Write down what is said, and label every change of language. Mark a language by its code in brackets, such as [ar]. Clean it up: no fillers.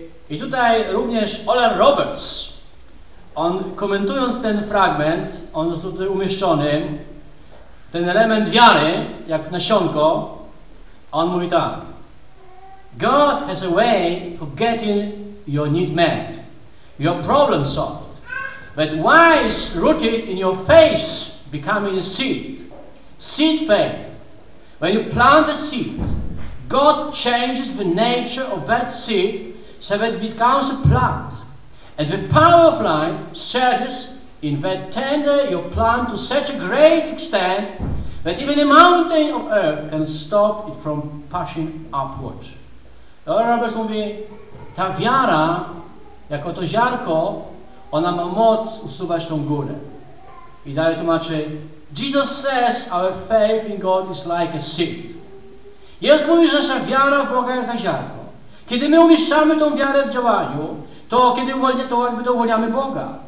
[pl] I tutaj również Oral Roberts, on komentując ten fragment, on został tutaj umieszczony, ten element wiary, jak nasionko, on mówi tak: [en] God has a way for getting your need met, your problem solved. But why is rooted in your faith becoming a seed? Seed faith. When you plant a seed, God changes the nature of that seed so that it becomes a plant. And the power of life surges in that tender your plant to such a great extent that even a mountain of earth can stop it from pushing upward. [pl] Roberts mówi, ta wiara, jako to ziarko, ona ma moc usuwać tą górę. I dalej tłumaczy: [en] Jesus says our faith in God is like a seed. [pl] Jezus mówi, że nasza wiara w Boga jest jak ziarno. Kiedy my umieszczamy tą wiarę w działaniu, to kiedy uwolniamy Boga.